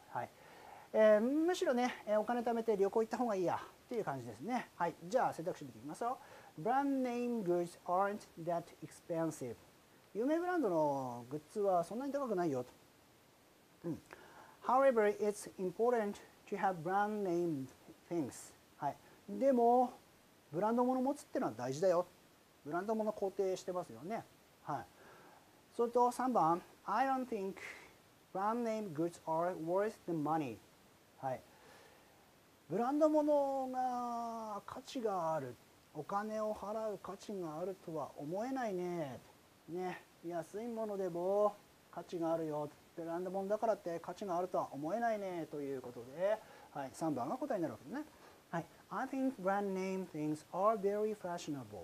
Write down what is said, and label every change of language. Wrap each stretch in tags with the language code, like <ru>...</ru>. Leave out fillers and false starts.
<ja>はい、むしろね、お金貯めて旅行行った方がいいやっていう感じですね。はい、じゃあ選択肢見ていきますよ。</ja> <en>Brand name goods aren't that expensive。</en> <ja>有名ブランドのグッズはそんなに高くないよと。</ja> <en>However, it's important to have brand name things。</en> <ja>はい、でもブランドもの持つってのは大事だよ。ブランドもの肯定してますよね。はい、それと3番、</ja> <en>I don't think brand name goods are worth the money。</en> <ja>はい、ブランドものが価値がある、お金を払う価値があるとは思えないね。ね、安いものでも価値があるよ。ブランドものだからって価値があるとは思えないね、ということで、はい、3番が答えになるわけですね。</ja> <en>はい、I think brand name things are very fashionable。</en>